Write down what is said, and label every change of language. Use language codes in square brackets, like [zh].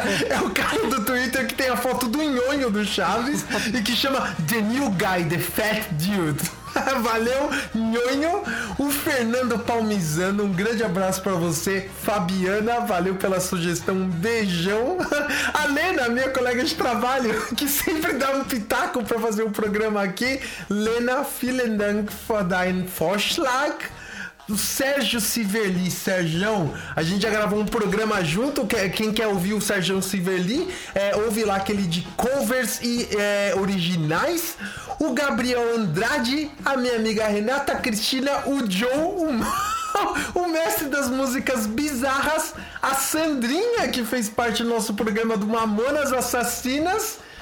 [pt] É o cara do Twitter que tem a foto do Nhonho do Chaves e que chama The New Guy, The Fat Dude. Valeu, Nhonho. O Fernando Palmizano, um grande abraço pra você. Fabiana, valeu pela sugestão, um beijão. A Lena, minha colega de trabalho, que sempre dá um pitaco pra fazer um programa aqui. [de] Lena, vielen Dank für dein Vorschlag. [pt] O Sérgio Civerli, Sérgio, a gente já gravou um programa junto, quem quer ouvir o Sérgio Civerli, ouve lá aquele de covers e originais. O Gabriel Andrade, a minha amiga Renata Cristina, o Joe, o mestre das músicas bizarras, a Sandrinha, que fez parte do nosso programa do Mamonas Assassinas.